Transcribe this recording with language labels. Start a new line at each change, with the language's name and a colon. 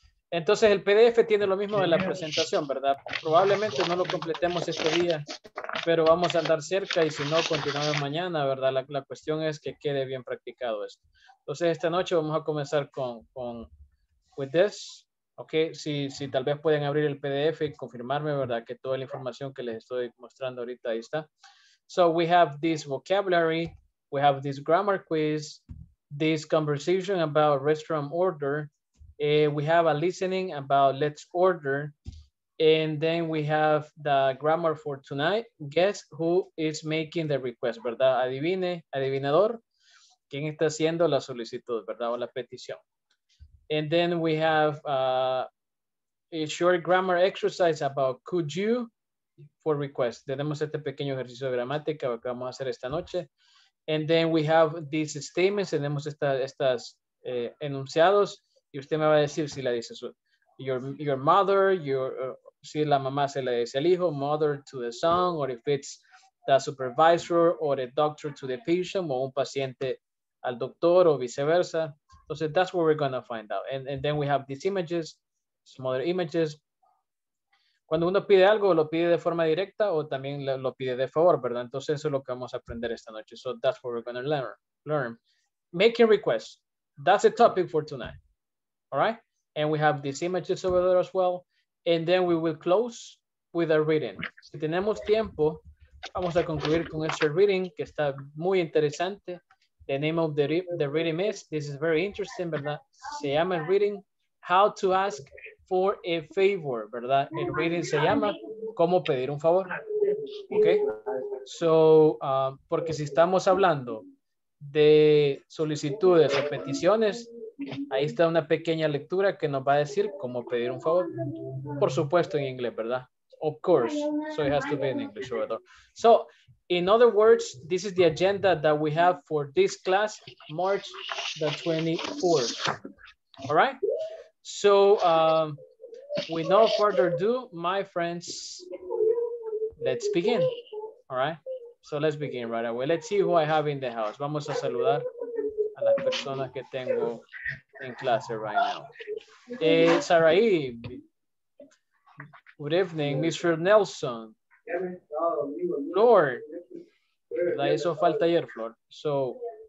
Spanish: Entonces, el PDF tiene lo mismo de la presentación, ¿verdad? Probablemente no lo completemos este día, pero vamos a andar cerca y si no, continuamos mañana, ¿verdad? La cuestión es que quede bien practicado esto. Entonces, esta noche vamos a comenzar con
English: with this.
Spanish: Ok, si tal vez pueden abrir el PDF y confirmarme, ¿verdad? Que toda la información que les estoy mostrando ahorita, ahí está.
English: So we have this vocabulary, we have this grammar quiz, this conversation about restaurant order, we have a listening about let's order, and then we have the grammar for tonight. Guess who is making the request,
Spanish: ¿verdad? Adivine, adivinador, ¿quién está haciendo la solicitud, ¿verdad? O la petición.
English: And then we have a short grammar exercise about could you for request.
Spanish: Tenemos este pequeño ejercicio de gramática que vamos a hacer esta noche.
English: And then we have these statements.
Spanish: Tenemos estas enunciados. Y usted me va a decir si la dice su,
English: your mother,
Spanish: si la mamá se la dice al hijo,
English: mother to the son, or if it's the supervisor or the doctor to the patient,
Spanish: o un paciente al doctor, o viceversa. Entonces,
English: that's what we're going to find out. And then we have these images, some other images.
Spanish: Cuando uno pide algo, lo pide de forma directa o también lo pide de favor, ¿verdad? Entonces, eso es lo que vamos a aprender esta noche.
English: So, that's what we're going to learn. Making requests. That's the topic for tonight. All right? And we have these images over there as well. And then we will close with a reading.
Spanish: Si tenemos tiempo, vamos a concluir con este reading que está muy interesante.
English: The name of the reading is, this is very interesting,
Spanish: ¿verdad? Se llama reading,
English: how to ask for a favor, ¿verdad?
Spanish: El reading se llama, ¿cómo pedir un favor? Ok. So, porque si estamos hablando de solicitudes o peticiones, ahí está una pequeña lectura que nos va a decir cómo pedir un favor. Por supuesto, en inglés, ¿verdad?
English: Of course. So it has to be in English. So, in other words, this is the agenda that we have for this class, March the 24th. All right? So, with no further ado, my friends, let's begin. All right? So, let's begin right away. Let's see who I have in the house.
Spanish: Vamos a saludar a las personas que tengo en clase
English: right now. Sarai. Good evening, Mr. Nelson. Lord.
Spanish: La hizo falta ayer, Flor. So,